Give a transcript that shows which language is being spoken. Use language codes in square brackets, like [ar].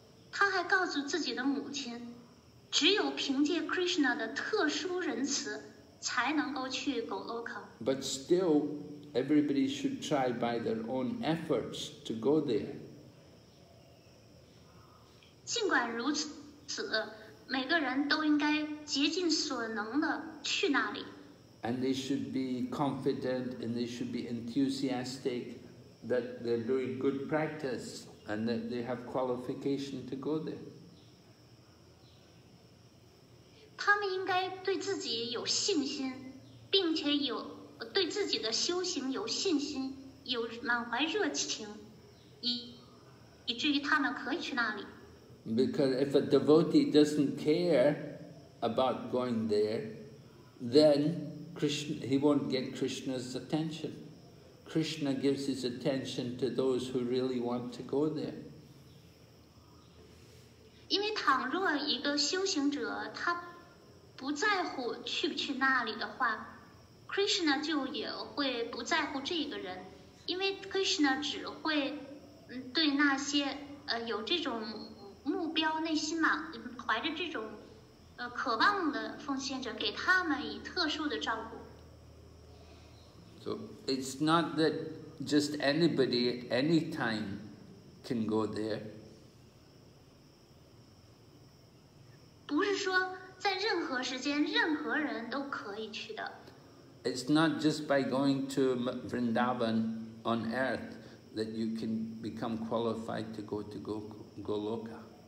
[zh] 他还告诉自己的母亲，只有凭借 Krishna 的特殊仁慈才能够去 Goloka. [en] But still, everybody should try by their own efforts to go there. [zh] 尽管如此，每个人都应该竭尽所能的去那里。 [en] And they should be confident and they should be enthusiastic that they're doing good practice and that they have qualification to go there. [zh] 他们应该对自己有信心，并且有对自己的修行有信心，有满怀热情，以至于他们可以去那里。 [en] Because if a devotee doesn't care about going there, then Krishna, he won't get Krishna's attention. Krishna gives his attention to those who really want to go there. [zh] 因为倘若一个修行者他不在乎去不去那里的话， Krishna 就也会不在乎这个人，因为 Krishna 只会对那些有这种目标、内心嘛，怀着这种渴望的奉献者，给他们以特殊的照顾。 [en] So it's not that just anybody anytime can go there. [zh] 不是说在任何时间任何人都可以去的。 [en] It's not just by going to Vrindavan on earth that you can become qualified to go to Goloka.